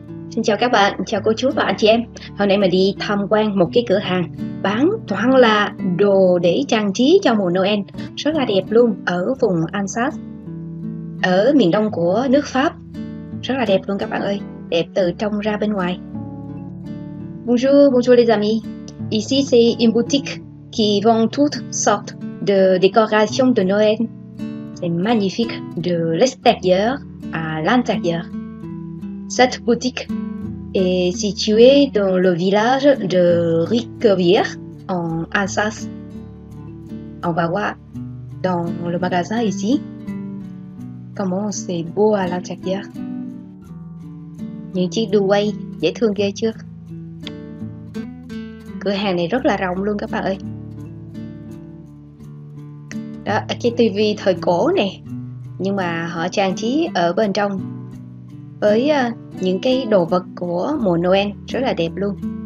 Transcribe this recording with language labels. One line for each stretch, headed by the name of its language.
Vietnamese: Xin chào các bạn, chào cô chú và anh chị em. Hôm nay mình đi tham quan một cái cửa hàng bán toàn là đồ để trang trí cho mùa Noel, rất là đẹp luôn, ở vùng Alsace, ở miền đông của nước Pháp. Rất là đẹp luôn các bạn ơi, đẹp từ trong ra bên ngoài.
French: Bonjour, bonjour les amis. Ici c'est une boutique qui vend toutes sortes de décorations de Noël. C'est magnifique de l'extérieur à l'intérieur. Cette boutique est située dans le village de Riquewihr en Alsace. On va voir dans le magasin ici comment c'est beau à l'intérieur.
Vietnamese: Những chiếc đu quay dễ thương ghê chưa? Cửa hàng này rất là rộng luôn các bạn ơi. Đó, cái tivi thời cổ này, nhưng mà họ trang trí ở bên trong với những cái đồ vật của mùa Noel rất là đẹp luôn.